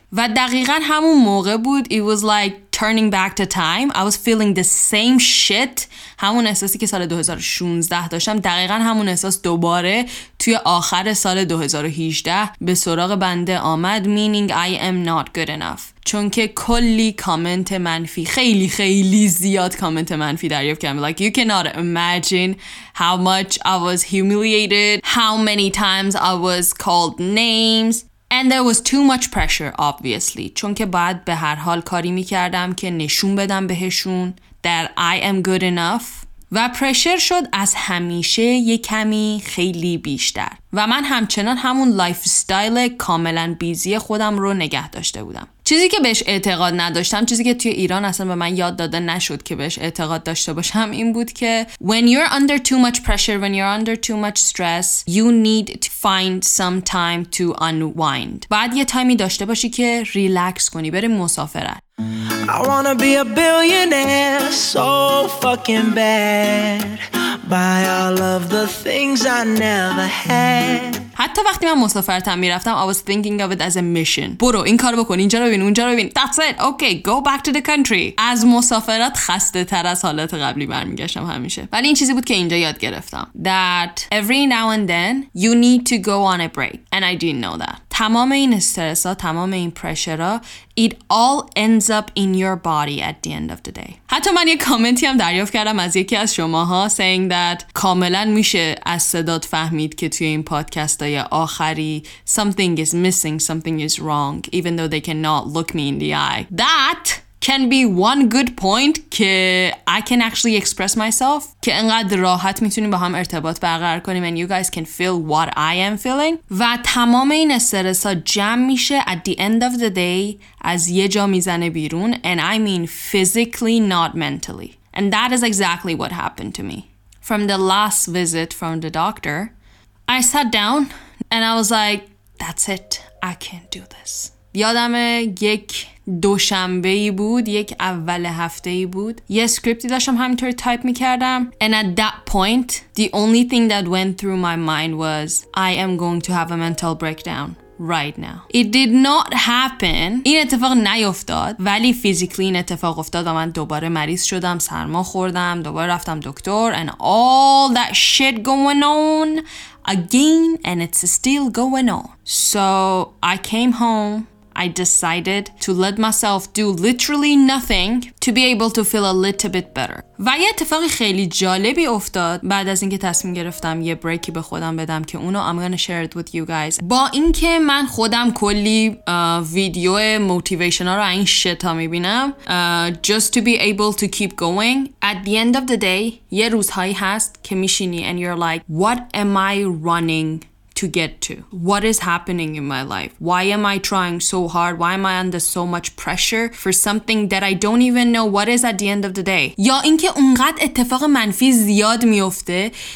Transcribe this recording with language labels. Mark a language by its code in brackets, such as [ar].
[fa] و دقیقاً همون موقع بود [en] it was like turning back the time. I was feeling the same shit. [fa] همون احساسی که سال 2016 داشتم دقیقاً همون احساس دوباره توی آخر سال 2018 به سراغ بنده آمد، [en] meaning I am not good enough. [fa] چون که کلی کامنت منفی، خیلی خیلی زیاد کامنت منفی دریافت کردم. [en] Like you cannot imagine how much I was humiliated, how many times I was called names. And there was too much pressure, obviously. [fa] چون که بعد به هر حال کاری میکردم که نشون بدم بهشون [en] that I am good enough. [fa] و پرشر شد از همیشه یک کمی خیلی بیشتر. و من همچنان همون لایف استایل کاملا بیزی خودم رو نگه داشته بودم. چیزی که بهش اعتقاد نداشتم، چیزی که توی ایران اصلا به من یاد داده نشد که بهش اعتقاد داشته باشم، این بود که [en] when you're under too much pressure, when you're under too much stress, you need to find some time to unwind. [fa] بعد یه تایمی داشته باشی که ریلکس کنی، بری مسافرت. [en] I wanna be a billionaire so fucking bad by all of the things I never had. [fa] حتی وقتی من مسافرت هم میرفتم [en] I was thinking of it as a mission. [fa] برو این کارو بکن، اینجا رو ببین، اونجا رو ببین. [en] That's it. Okay, go back to the country. [fa] از مسافرت خسته تر از حالت قبلی برمیگشتم همیشه. ولی این چیزی بود که اینجا یاد گرفتم. [en] That every now and then you need to go on a break. And I didn't know that. [fa] تمام این استرس ها، تمام این پرشر ها، [en] it all ends up in your body at the end of the day. [fa] حتی من یه کامنتی هم دریافت کردم از یکی از شماها [en] saying that [fa] کاملا میشه از صدات فهمید که توی این پادکست های آخری [en] something is missing, something is wrong, even though they cannot look me in the eye. That can be one good point که I can actually express myself [fa] که انقدر راحت میتونیم با هم ارتباط برقرار کنیم [en] and you guys can feel what I am feeling [fa] و تمام این استرس ها جمع میشه [en] at the end of the day [fa] از یه جا میزنه بیرون [en] and I mean physically not mentally and that is exactly what happened to me from the last visit from the doctor I sat down and I was like that's it I can't do this [fa] یادم یک دوشنبه‌ای بود، یک اول هفته‌ای بود. یه اسکریپتی داشتم همینطوری تایپ می‌کردم. [en] And at that point, the only thing that went through my mind was I am going to have a mental breakdown right now. It did not happen. [fa] این اتفاق نیفتاد، ولی فیزیکلی این اتفاق افتاد و من دوباره مریض شدم، سرما خوردم، دوباره رفتم دکتر [en] and all that shit going on again and it's still going on. So, I came home I decided to let myself do literally nothing to be able to feel a little bit better. [fa] و یه اتفاقی خیلی جالبی افتاد بعد از اینکه تصمیم گرفتم یه بریکی به خودم بدم که اونو [en] I'm gonna share it with you guys. [fa] با اینکه من خودم کلی ویدیو موتیویشن ها رو این شتا میبینم [en] just to be able to keep going at the end of the day [fa] یه روزهایی هست که میشینی [en] and you're like what am I running to get to what is happening in my life why am I trying so hard why am I under so much pressure for something that I don't even know what is at the end of the day [fa] یا اینکه اونقدر اتفاق منفی زیاد میفته